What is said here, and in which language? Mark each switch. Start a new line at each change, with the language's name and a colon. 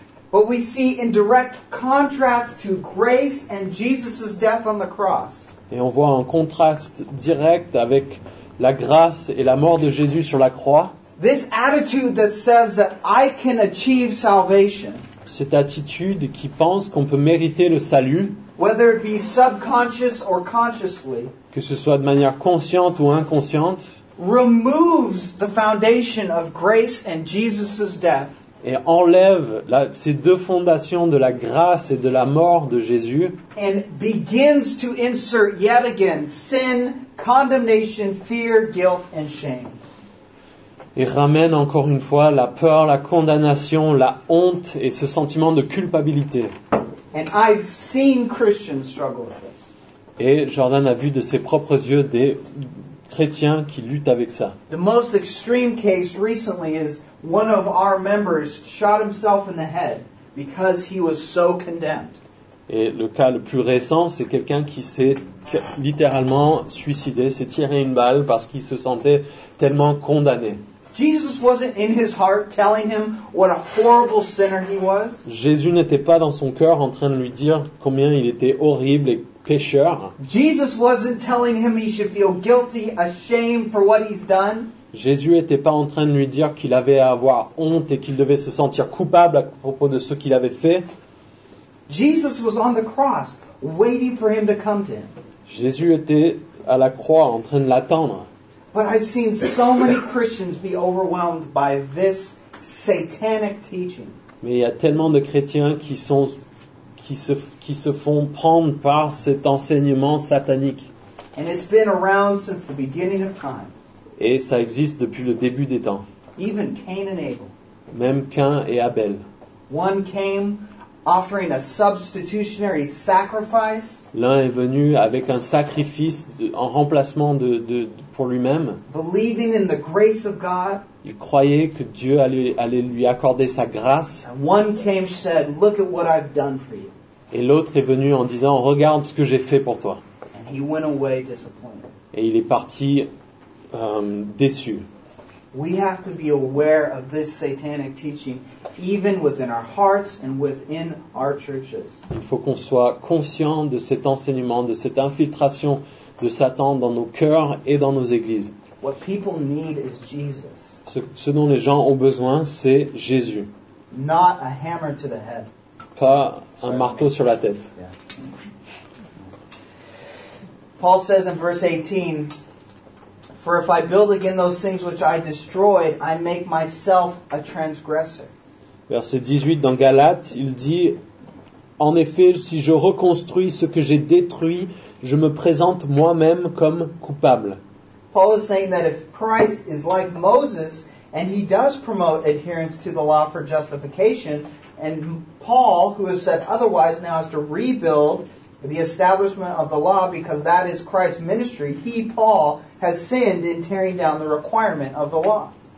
English: But we see in direct contrast to grace and Jesus' death on the cross.
French: Et on voit un contraste direct avec la grâce et la mort de Jésus sur la croix.
English: This attitude that says that I can achieve salvation.
French: Cette attitude qui pense qu'on peut mériter le salut.
English: Whether it be subconscious or consciously.
French: Que ce soit de manière consciente ou inconsciente.
English: Removes the foundation of grace and Jesus' death.
French: Et enlève la, ces deux fondations de la grâce et de la mort de Jésus.
English: And begins to insert yet again sin, condemnation, fear, guilt, and shame.
French: Et ramène encore une fois la peur, la condamnation, la honte et ce sentiment de culpabilité.
English: And I've seen Christians struggle with this.
French: Et Jordan a vu de ses propres yeux des chrétiens qui luttent avec ça.
English: The most extreme case recently is one of our members shot himself in the head because he was so condemned.
French: Et le cas le plus récent, c'est quelqu'un qui s'est littéralement suicidé, s'est tiré une balle parce qu'il se sentait tellement condamné.
English: Jesus wasn't in his heart telling him what a horrible sinner he was.
French: Jésus n'était pas dans son cœur en train de lui dire combien il était horrible et pécheur.
English: Jesus wasn't telling him he should feel guilty, ashamed for what he's done.
French: Jésus n'était pas en train de lui dire qu'il avait à avoir honte et qu'il devait se sentir coupable à propos de ce qu'il avait fait.
English: Jesus was on the cross waiting for him to come to him.
French: Jésus était à la croix en train de l'attendre.
English: But I've seen so many Christians be overwhelmed by this satanic teaching.
French: Mais il y a tellement de chrétiens qui se font prendre par cet enseignement satanique.
English: And it's been around since the beginning of time.
French: Et ça existe depuis le début des temps.
English: Even Cain and Abel.
French: Même Cain et Abel.
English: One came offering a substitutionary sacrifice.
French: L'un est venu avec un sacrifice en remplacement pour lui-même.
English: Believing in the grace of God.
French: Il croyait que Dieu allait lui accorder sa grâce.
English: And one came said, "Look at what I've done for you."
French: Et l'autre est venu en disant, "Regarde ce que j'ai fait pour toi."
English: And he went away disappointed.
French: Et il est parti déçu.
English: We have to be aware of this satanic teaching even within our hearts and within our churches.
French: Il faut qu'on soit conscient de cet enseignement, de cette infiltration de Satan dans nos cœurs et dans nos églises.
English: What people need is Jesus.
French: Ce dont les gens ont besoin, c'est Jésus.
English: Not a hammer to the head.
French: Pas un marteau sur la tête.
English: Yeah. Paul says in verse 18, "For if I build again those things which I destroyed, I make myself a transgressor."
French: Verset 18 dans Galates, il dit, en effet, si je reconstruis ce que j'ai détruit, je me présente moi-même comme coupable.
English: Paul is saying that if Christ is like Moses, and he does promote adherence to the law for justification, and Paul, who has said otherwise, now has to rebuild the establishment of the law because that is Christ's ministry, he, Paul, has sinned in tearing down the requirement of the law.